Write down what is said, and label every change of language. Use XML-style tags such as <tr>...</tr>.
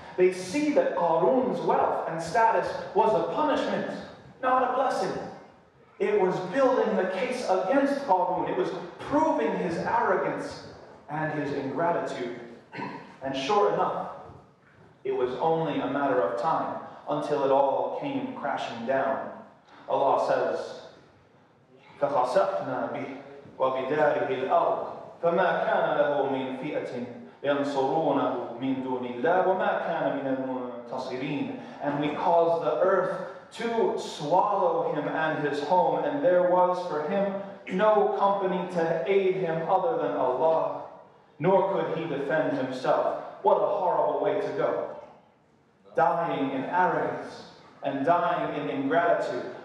<en>They see that Qarun's wealth and status was a punishment, not a blessing. It was building the case against Qarun. It was proving his arrogance and his ingratitude. And sure enough, it was only a matter of time until it all came crashing down. Allah says,</en> <ar>فَخَسَفْنَا وَبِدَارِهِ الْأَرْضِ فَمَا كَانَ لَهُ مِنْ فِئَةٍ يَنْصُرُونَهُ مِنْ دُونِ اللَّهِ وَمَا كَانَ مِنَ الْمُنْتَصِرِينَ.</ar> <en>And we caused the earth to swallow him and his home, and there was for him no company to aid him other than Allah, nor could he defend himself. What a horrible way to go. Dying in arrogance and dying in ingratitude.</en>